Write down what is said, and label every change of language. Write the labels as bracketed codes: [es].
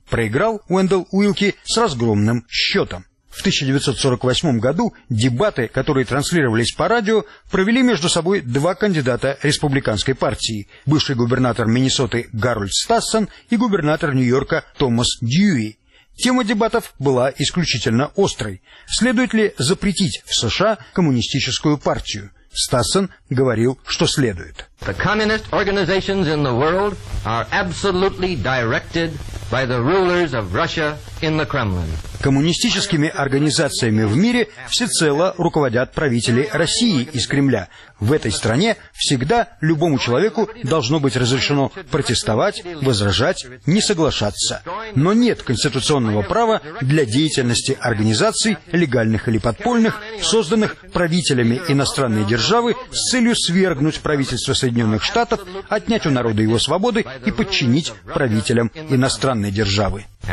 [ru] Проиграл Уэндалл Уилки с разгромным счетом. В 1948 году дебаты, которые транслировались по радио, провели между собой 2 кандидата республиканской партии – бывший губернатор Миннесоты Гарольд Стассен и губернатор Нью-Йорка Томас Дьюи. Тема дебатов была исключительно острой. Следует ли запретить в США коммунистическую партию? Стассен говорил, что следует. [en] The communist organizations in the world are absolutely directed by the rulers of Russia in the Kremlin. [ru] Коммунистическими организациями в мире всецело руководят правители России из Кремля. В этой стране всегда любому человеку должно быть разрешено протестовать, возражать, не соглашаться. Но нет конституционного права для деятельности организаций, легальных или подпольных, созданных правителями иностранной державы с целью свергнуть правительство Соединенных Штатов, отнять у народа его свободы и подчинить правителям иностранной державы.